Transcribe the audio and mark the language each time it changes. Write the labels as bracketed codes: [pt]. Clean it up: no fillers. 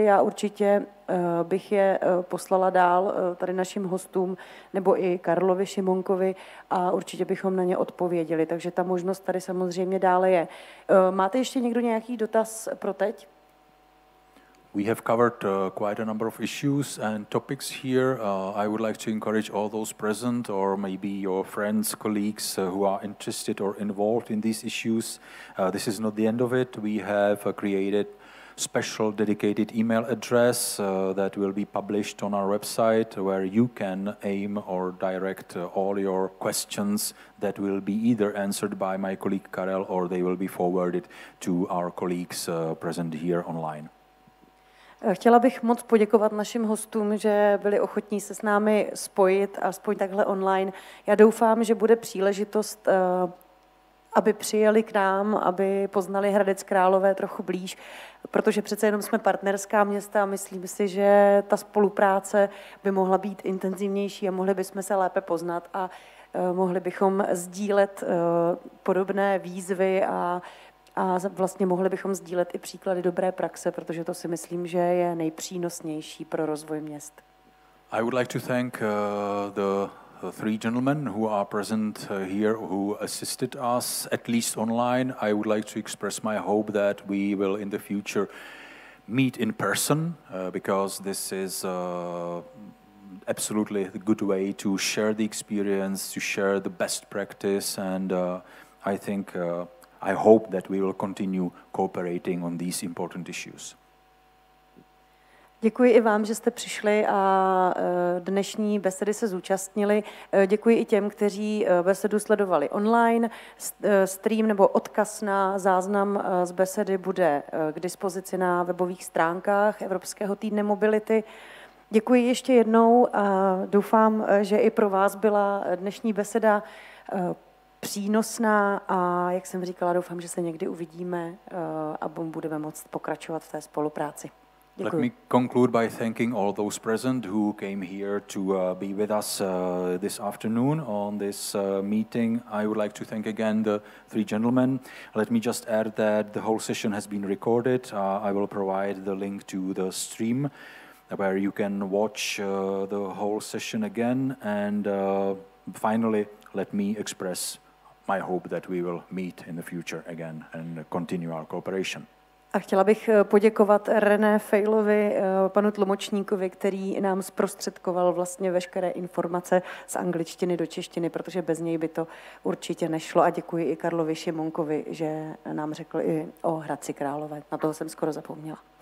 [cs] Já určitě bych je poslala dál tady našim hostům nebo i Karlovi Šimonkovi a určitě bychom na ně odpověděli. Takže ta možnost tady samozřejmě dále je. Máte ještě někdo nějaký dotaz pro teď? [en] We have covered quite a number of issues and topics here. I would like to encourage all those present or maybe your friends, colleagues who are interested or involved in these issues. This is not the end of it. We have created special dedicated email address that will be published on our website where you can aim or direct all your questions that will be either answered by my colleague Karel or they will be forwarded to our colleagues present here online. [cs] Chtěla bych moc poděkovat našim hostům, že byli ochotní se s námi spojit, aspoň takhle online. Já doufám, že bude příležitost, aby přijeli k nám, aby poznali Hradec Králové trochu blíž, protože přece jenom jsme partnerská města a myslím si, že ta spolupráce by mohla být intenzivnější a mohli bychom se lépe poznat a mohli bychom sdílet podobné výzvy a vlastně mohli bychom sdílet i příklady dobré praxe, protože to si myslím, že je nejpřínosnější pro rozvoj měst. [en] I would like to thank the three gentlemen who are present here who assisted us at least online. I would like to express my hope that we will in the future meet in person because this is absolutely a good way to share the experience, to share the best practice and I think I hope that we will continue cooperating on these important issues. [cs] Děkuji i vám, že jste přišli a dnešní besedy se zúčastnili. Děkuji i těm, kteří besedu sledovali online. Stream nebo odkaz na záznam z besedy bude k dispozici na webových stránkách Evropského týdne mobility. Děkuji ještě jednou a doufám, že i pro vás byla dnešní beseda přínosná a jak jsem říkala, doufám, že se někdy uvidíme a budeme moct pokračovat v té spolupráci. Děkuji. [en] Let me conclude by thanking all those present who came here to be with us this afternoon on this meeting. I would like to thank again the three gentlemen. Let me just add that the whole session has been recorded. I will provide the link to the stream where you can watch the whole session again. And finally, let me express my hope that we will meet in the future again and continue our cooperation. [cs] A chtěla bych poděkovat René Fejlovi, panu tlumočníkovi, který nám zprostředkoval vlastně veškeré informace z angličtiny do češtiny, protože bez něj by to určitě nešlo. A děkuji i Karlovi Šimonkovi, že nám řekl i o Hradci Králové. Na toho jsem skoro zapomněla.